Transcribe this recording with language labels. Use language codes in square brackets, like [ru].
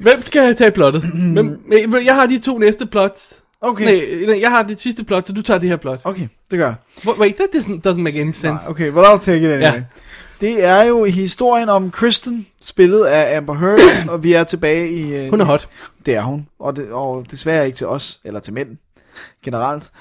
[da] Hvem skal jeg tage plottet? Jeg har de to næste plots. Okay. Nej, jeg har det sidste plot, så du tager det her plot. Okay, det gør jeg. [en] Wait, that doesn't make any sense. Okay, well, I'll take it anyway. Yeah. [da] Det er jo historien om Kristen, spillet af Amber Heard, og vi er tilbage i... Hun er hot. Det er hun, og desværre ikke til os, eller til mænd, generelt.